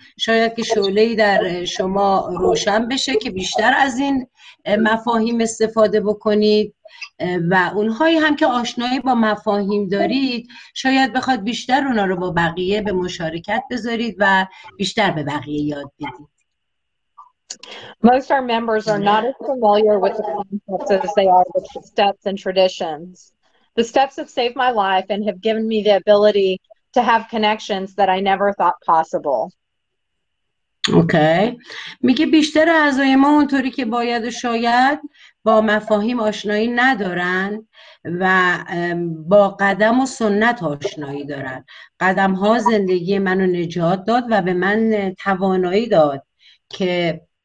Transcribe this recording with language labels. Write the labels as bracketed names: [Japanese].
[Persian] شاید که شعله ای در شما روشن بشه که بیشتر از این مفاهیم استفاده بکنید، و اونهایی هم که آشنایی با مفاهیم دارید شاید بخواد بیشتر اونا رو با بقیه به مشارکت بذارید و بیشتر به بقیه یاد بدید. [English] Most our members are not as familiar with the concepts as they are with the steps and traditions. The steps have saved my life and have given me the ability to have connections that I never thought possible. [Persian] اوکی میگه بیشتر اعضای ما اونطوری که باید و شاید با مفاهیم آشنایی ندارن و با قدم و سنت آشنایی دارن. قدم ها زندگی منو نجات داد و به من توانایی داد که